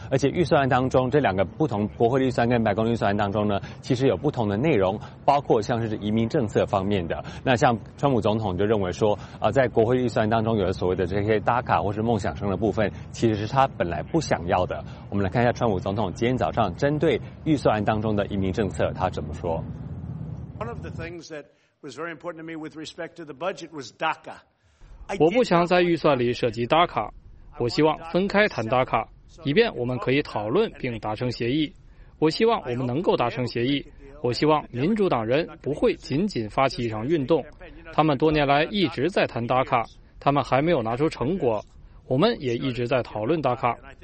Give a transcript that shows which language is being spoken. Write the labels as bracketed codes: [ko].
[zh] 而且预算案当中，这两个不同国会的预算跟白宫预算案当中呢，其实有不同的内容，包括像是移民政策方面的。那像川普总统就认为说在国会预算案当中有所谓的这些DACA或是梦想生的部分，其实是他本来不想要的。我们来看一下川普总统今天早上针对预算案当中的移民政策他怎么说。 [en] One of the things that was very important to me with respect to the budget was DACA。 [zh] 我不想在预算里涉及 DACA， 我希望分开谈 DACA， 以便我们可以讨论并达成协议。我希望我们能够达成协议，我希望民主党人不会仅仅发起一场运动，他们多年来一直在谈 DACA， 他们还没有拿出成果，我们也一直在讨论 DACA。